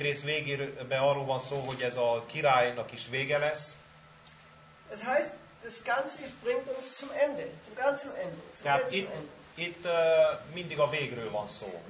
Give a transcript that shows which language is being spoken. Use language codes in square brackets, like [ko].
[hu] rész végébe arról van szó, hogy ez a királynak is vége lesz. [de] Es heißt, das Ganze bringt uns zum Ende, zum ganzen Ende. [hu] Tehát itt mindig a végről van szó.